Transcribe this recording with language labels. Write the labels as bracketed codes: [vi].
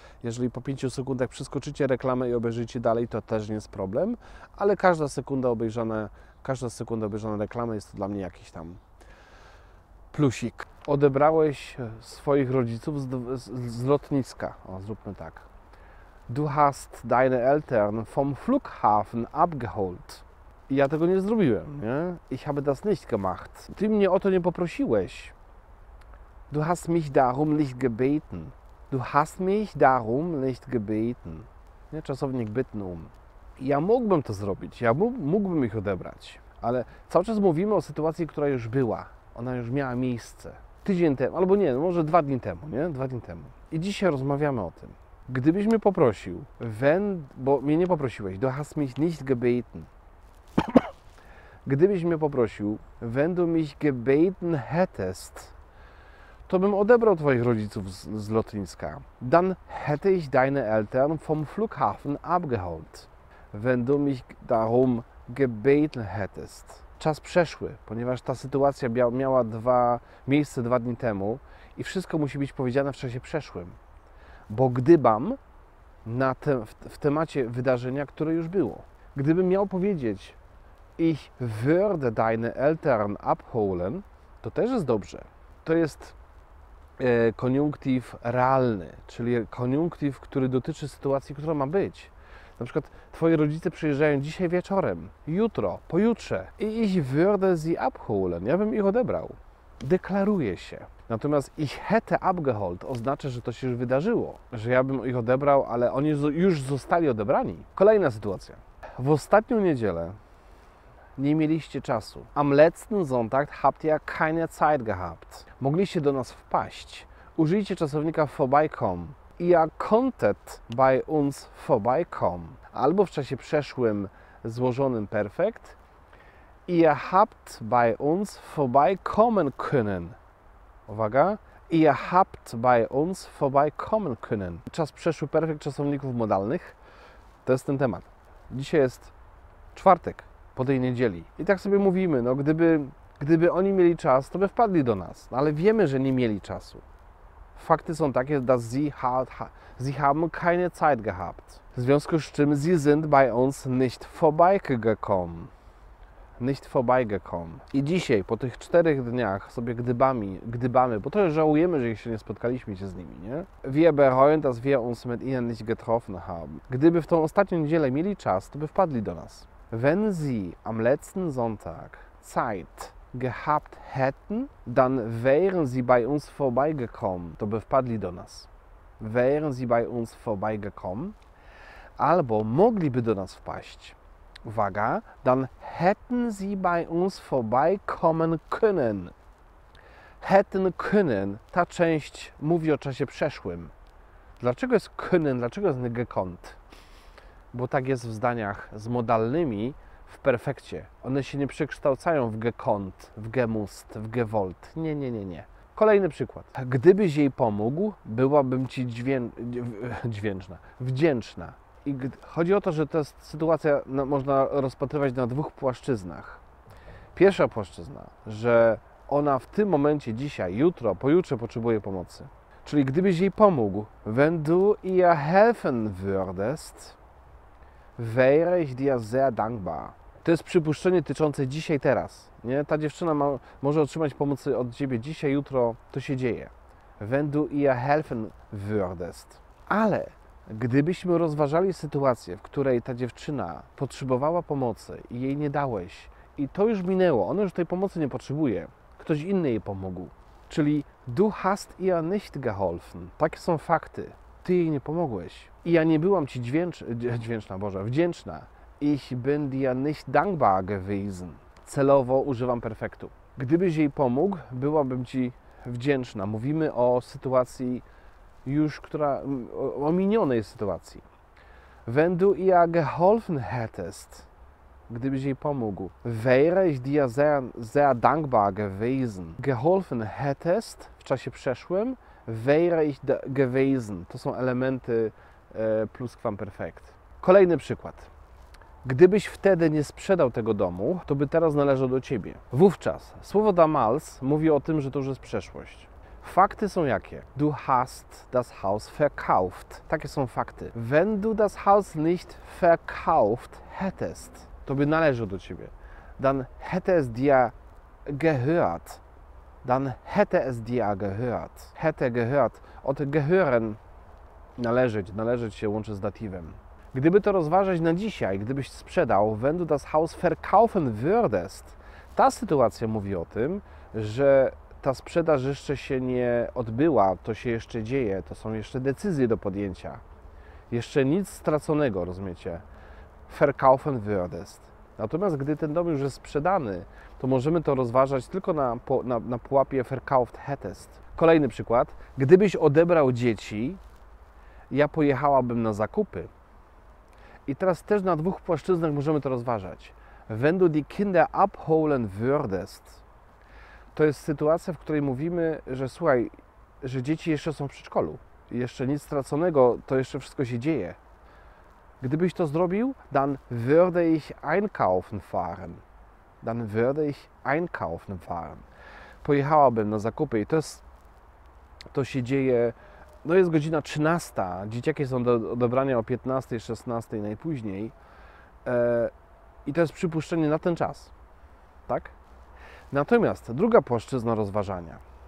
[pl] Jeżeli po 5 sekundach przeskoczycie reklamę i obejrzycie dalej, to też nie jest problem. Ale każda sekunda obejrzana reklamy jest to dla mnie jakiś tam plusik. Odebrałeś swoich rodziców z lotniska. O, zróbmy tak. [de] Du hast deine Eltern vom Flughafen abgeholt. [pl] Ja tego nie zrobiłem, nie? [de] Ich habe das nicht gemacht. [pl] Ty mnie o to nie poprosiłeś. [de] Du hast mich darum nicht gebeten. Du hast mich darum nicht gebeten. [pl] Nie? Czasownik bitten. Ja mógłbym to zrobić, ja mógłbym ich odebrać. ale cały czas mówimy o sytuacji, która już była. Ona już miała miejsce. Tydzień temu, albo nie, może dwa dni temu, nie? Dwa dni temu. I dzisiaj rozmawiamy o tym. Gdybyś mnie poprosił, bo mnie nie poprosiłeś, [de] du hast mich nicht gebeten. [pl] Gdybyś mnie poprosił, [de] wenn du mich gebeten hättest, [pl] to bym odebrał twoich rodziców z lotniska. [de] Dann hätte ich deine Eltern vom Flughafen abgeholt. Wenn du mich darum gebeten hättest. [pl] Czas przeszły, ponieważ ta sytuacja miała miejsce dwa dni temu i wszystko musi być powiedziane w czasie przeszłym. Bo gdybam w temacie wydarzenia, które już było. Gdybym miał powiedzieć [de] ich würde deine Eltern abholen, [pl] to też jest dobrze. To jest koniunktyw realny, czyli koniunktyw, który dotyczy sytuacji, która ma być. Na przykład twoi rodzice przyjeżdżają dzisiaj wieczorem, jutro, pojutrze. [de] Ich würde sie abholen. [pl] Ja bym ich odebrał. Deklaruje się. Natomiast [de] ich hätte abgeholt [pl] oznacza, że to się już wydarzyło. Że ja bym ich odebrał, ale oni już zostali odebrani. Kolejna sytuacja. W ostatnią niedzielę nie mieliście czasu. [de] Am letzten Sonntag habt ihr keine Zeit gehabt. [pl] Mogliście do nas wpaść. Użyjcie czasownika vorbeikommen. [de] Ihr konntet bei uns vorbeikommen. [pl] Albo w czasie przeszłym złożonym perfekt. [de] Ihr habt bei uns vorbeikommen können. [pl] Uwaga. [de] Ihr habt bei uns vorbeikommen können. [pl] Czas przeszły perfekt czasowników modalnych. To jest ten temat. Dzisiaj jest czwartek. Po tej niedzieli. I tak sobie mówimy, no gdyby oni mieli czas, to by wpadli do nas. No, ale wiemy, że nie mieli czasu. Fakty są takie, [de] dass sie haben keine Zeit gehabt. [pl] W związku z czym [de] sie sind bei uns nicht vorbeigekommen. Nicht vorbeigekommen. [pl] I dzisiaj, po tych czterech dniach, sobie gdybamy, bo trochę żałujemy, że jeszcze nie spotkaliśmy się z nimi, nie? [de] Wir bereuen, dass wir uns mit ihnen nicht getroffen haben. [pl] Gdyby w tą ostatnią niedzielę mieli czas, to by wpadli do nas. [de] Wenn sie am letzten Sonntag Zeit gehabt hätten, dann wären sie bei uns vorbeigekommen. [pl] To by wpadli do nas. [de] Wären sie bei uns vorbeigekommen. [pl] Albo mogliby do nas wpaść. Uwaga. [de] Dann hätten sie bei uns vorbeikommen können. Hätten können. [pl] Ta część mówi o czasie przeszłym. Dlaczego jest können? Dlaczego jest gekonnt? Bo tak jest w zdaniach z modalnymi w perfekcie. One się nie przekształcają w gekonnt, w gemust, w gewollt. Nie, nie, nie, nie. Kolejny przykład. Gdybyś jej pomógł, byłabym ci dźwięczna, wdzięczna. I chodzi o to, że ta sytuacja można rozpatrywać na dwóch płaszczyznach. Pierwsza płaszczyzna, że ona w tym momencie, dzisiaj, jutro, pojutrze potrzebuje pomocy. Czyli gdybyś jej pomógł, [de] wenn du ihr helfen würdest, wäre ich dir sehr dankbar. [pl] To jest przypuszczenie tyczące dzisiaj, teraz. Nie? Ta dziewczyna może otrzymać pomoc od ciebie dzisiaj, jutro. To się dzieje. [de] Wenn du ihr helfen würdest. [pl] Ale gdybyśmy rozważali sytuację, w której ta dziewczyna potrzebowała pomocy i jej nie dałeś, i to już minęło, ona już tej pomocy nie potrzebuje, ktoś inny jej pomógł. Czyli [de] du hast ihr nicht geholfen. [pl] Takie są fakty. Ty jej nie pomogłeś. I ja nie byłam ci wdzięczna. [de] Ich bin dir nicht dankbar gewesen. [pl] Celowo używam perfektu. Gdybyś jej pomógł, byłabym ci wdzięczna. Mówimy o sytuacji już, o minionej sytuacji. [de] Wenn du ihr geholfen hättest, [pl] gdybyś jej pomógł, [de] wäre ich dir sehr dankbar gewesen. Geholfen hättest [pl] w czasie przeszłym, [de] wäre ich gewesen. [pl] To są elementy pluskwamperfekt. Kolejny przykład. Gdybyś wtedy nie sprzedał tego domu, to by teraz należał do ciebie. Wówczas. Słowo damals mówi o tym, że to już jest przeszłość. Fakty są jakie? [de] Du hast das Haus verkauft. [pl] Takie są fakty. [de] Wenn du das Haus nicht verkauft hättest, [pl] to by należał do ciebie. [de] Dann hätte es dir gehört. Dann hätte es dir gehört. Hätte gehört. Od gehören. [pl] Należeć się łączy z datywem. Gdyby to rozważać na dzisiaj, gdybyś sprzedał, [de] wenn du das Haus verkaufen würdest, [pl] ta sytuacja mówi o tym, że ta sprzedaż jeszcze się nie odbyła, to się jeszcze dzieje, to są jeszcze decyzje do podjęcia. Jeszcze nic straconego, rozumiecie? [de] Verkaufen würdest. [pl] Natomiast gdy ten dom już jest sprzedany, to możemy to rozważać tylko na pułapie Verkauft-Hättest. Kolejny przykład. Gdybyś odebrał dzieci, ja pojechałabym na zakupy. I teraz też na dwóch płaszczyznach możemy to rozważać. [de] Wenn du die Kinder abholen würdest, [pl] to jest sytuacja, w której mówimy, że słuchaj, że dzieci jeszcze są w przedszkolu. Jeszcze nic straconego, to jeszcze wszystko się dzieje. Gdybyś to zrobił, [de] dann würde ich einkaufen fahren. Dann würde ich einkaufen fahren. [pl] Pojechałabym na zakupy i to się dzieje, no jest godzina 13, dzieciaki są do odebrania o 15, 16 najpóźniej. I to jest przypuszczenie na ten czas, tak? Natomiast druga płaszczyzna rozważania.